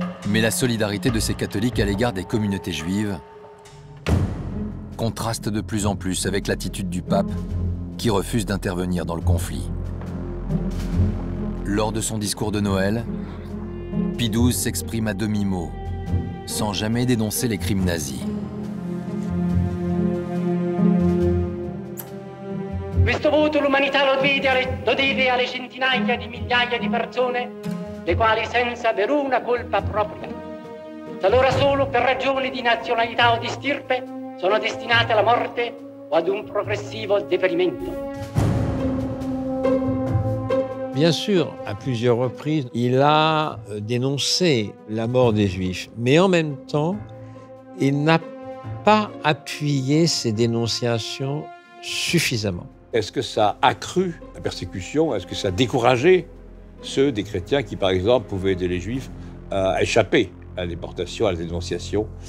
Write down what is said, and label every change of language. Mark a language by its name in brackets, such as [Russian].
[French] Mais la solidarité de ces catholiques à l'égard des communautés juives contraste de plus en plus avec l'attitude du pape qui refuse d'intervenir dans le conflit. Lors de son discours de Noël, Pie XII s'exprime à demi-mot, sans jamais dénoncer les crimes nazis. [Italian] Questo voto l'umanità lo deve alle centinaia di migliaia di persone le quali senza veruna colpa propria, talora solo per ragioni di nazionalità o di stirpe, sono destinate alla morte o ad un progressivo deperimento. [French] Bien sûr, à plusieurs reprises, il a dénoncé la mort des Juifs, mais en même temps, il n'a pas appuyé ces dénonciations suffisamment. Est-ce que ça a accru la persécution ? Est-ce que ça a découragé ceux des chrétiens qui, par exemple, pouvaient aider les Juifs à échapper à la déportation, à la dénonciation?